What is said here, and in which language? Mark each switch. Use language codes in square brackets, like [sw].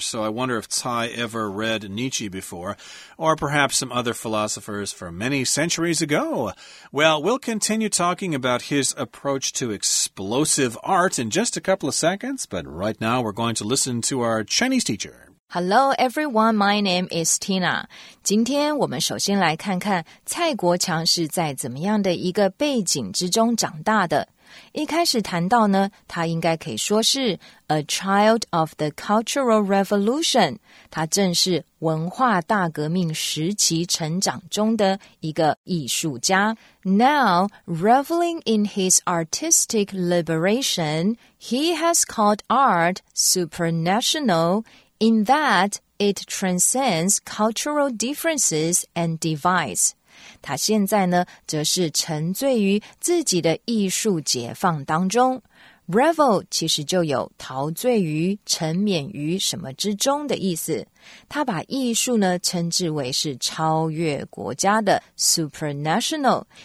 [en] So I wonder if Tsai ever read Nietzsche before, or perhaps some other philosophers from many centuries ago. Well, we'll continue talking about his approach to explosive art in just a couple of seconds, but right now we're going to listen to our Chinese teacher. Hello, everyone. My name is Tina. [zh] 今天我们首先来看看蔡国强是在怎么样的一个背景之中长大的。一开始谈到呢，他应该可以说是 [en] a child of the Cultural Revolution. [zh] 他正是文化大革命时期成长中的一个艺术家。 [en] Now, reveling in his artistic liberation, he has called art supranational,In that, it transcends cultural differences and divides. [zh] 他现在呢，则是沉醉于自己的艺术解放当中。 Revel 其实就有陶醉于、沉湎于什么之中的意思。他把艺术呢，称之为是超越国家的 supranational.